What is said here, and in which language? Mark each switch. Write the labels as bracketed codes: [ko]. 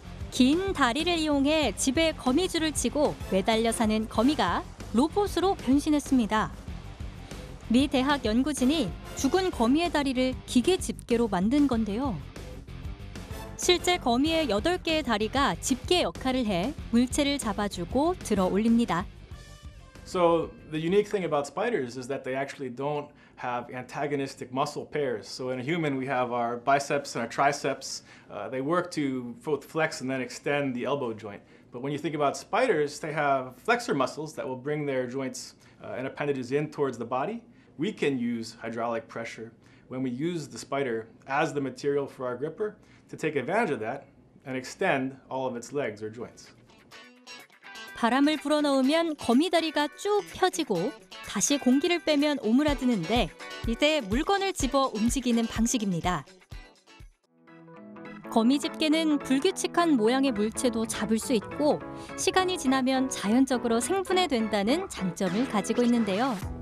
[ko] 긴 다리를 이용해 집에 거미줄을 치고 매달려 사는 거미가 로봇으로 변신했습니다. 미 대학 연구진이 죽은 거미의 다리를 기계 집게로 만든 건데요. 실제 거미의 8개의 다리가 집게 역할을 해 물체를 잡아주고 들어 올립니다. [en] So the unique thing about spiders is that they actually don't have antagonistic muscle pairs. So in a human we have our biceps and our triceps. They work to both flex and then extend the elbow joint. But when you think about spiders, they have flexor muscles that will bring their joints and appendages in towards the body. We can use hydraulic pressure when we use the spider as the material for our gripper to take advantage of that and extend all of its legs or joints. [ko] 바람을 불어넣으면 거미 다리가 쭉 펴지고 다시 공기를 빼면 오므라드는데 이때 물건을 집어 움직이는 방식입니다. 거미 집게는 불규칙한 모양의 물체도 잡을 수 있고 시간이 지나면 자연적으로 생분해된다는 장점을 가지고 있는데요.